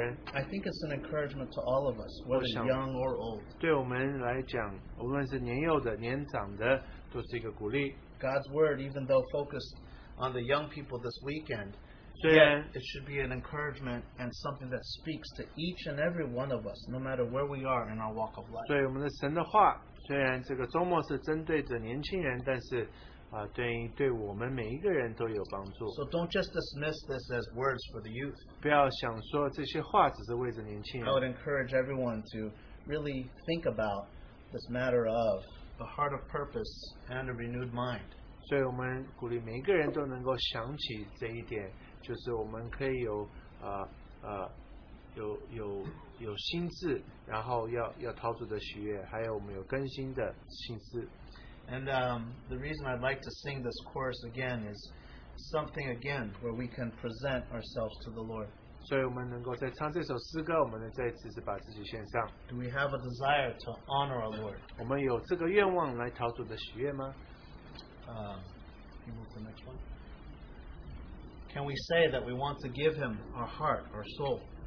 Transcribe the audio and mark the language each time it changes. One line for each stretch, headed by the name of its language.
English: I think it's an encouragement to all of us, whether young or old.
Chinese: 对我们来讲, 无论是年幼的, 年长的,
English: God's word, even though focused on the young people this weekend, it should be an encouragement and something that speaks to each and every one of us, no matter where we are in our walk of life.
Chinese: 对我们的神的话，虽然这个周末是针对着年轻人，但是 对我们每一个人都有帮助。
English: So don't just dismiss this as words for the youth.
Chinese: 不要想说这些话只是为着年轻人。
English: I would encourage everyone to really think about this matter of a heart of purpose and a renewed mind.
Chinese: 所以我们鼓励每一个人都能够想起这一点，就是我们可以有心智，然后要陶醉的喜悦，还有我们有更新的心思。
English: And the reason I'd like to sing this chorus again is something again where we can present ourselves to the Lord.
Chinese: 所以我们能够再唱这首诗歌，我们能再次次把自己献上。
English: Do we have a desire to honor our Lord?
Chinese: 我们有这个愿望来陶醉的喜悦吗？
English: Can you move to the next one? Can we say that we want to give Him our heart, our soul?